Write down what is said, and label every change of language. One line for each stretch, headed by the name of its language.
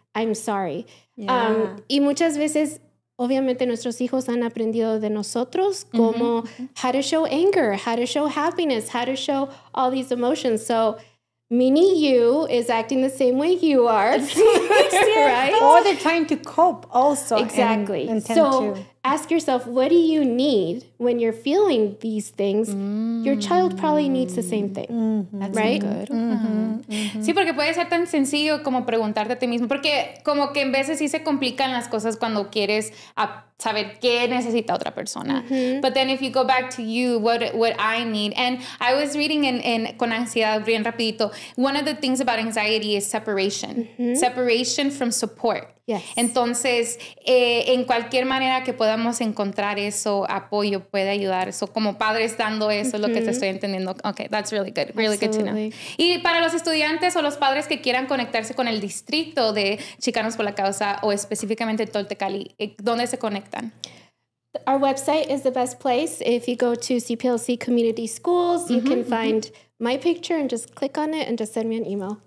English: I'm sorry. Yeah.
Spanish: Y muchas veces, obviamente, nuestros hijos han aprendido de nosotros como
English: how to show anger, how to show happiness, how to show all these emotions. So mini you is acting the same way you are. Right? Or they're trying to cope also. Exactly. Ask yourself, what do you need when you're feeling these things? Your child probably needs the same thing. Right? Good.
Spanish: Sí, porque puede ser tan sencillo como preguntarte a ti mismo. Porque como que en veces sí se complican las cosas cuando quieres saber qué necesita otra persona.
English: But then if you go back to you, what I need. And I was reading
Spanish: con ansiedad bien rapidito.
English: One of the things about anxiety is separation. Separation from support. Yes.
Spanish: Entonces, en cualquier manera que podamos encontrar eso, apoyo puede ayudar. Eso como padres dando eso, es lo que te estoy entendiendo.
English: Okay, that's really good. Really Absolutely. Good to know.
Spanish: Y para los estudiantes o los padres que quieran conectarse con el distrito de Chicanos por la Causa o específicamente Tolecalli, ¿dónde se conectan?
English: Our website is the best place. If you go to CPLC Community Schools, you can find my picture and just click on it and just send me an email.